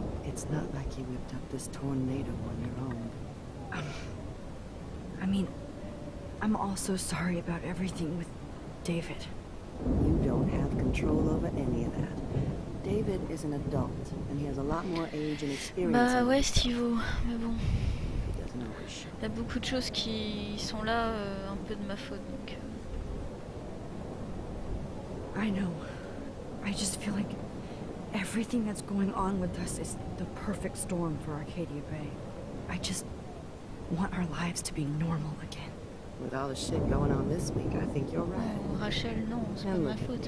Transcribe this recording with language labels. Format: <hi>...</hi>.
<en>It's not like you whipped up this tornado on your own. I mean, I'm also sorry about everything with David. You don't have control over any of that. David is an adult, and he has a lot more age and experience.</en> <fr>Bah ouais, Steve-o, mais bon. Il y a beaucoup de choses qui sont là un peu de ma faute, donc.</fr> <en>I know. I just feel like everything that's going on with us is the perfect storm for Arcadia Bay. I just want our lives to be normal again. With all the shit going on this week, I think you're right.</en> <fr>Oh, Rachel, non, c'est pas ma faute.</fr>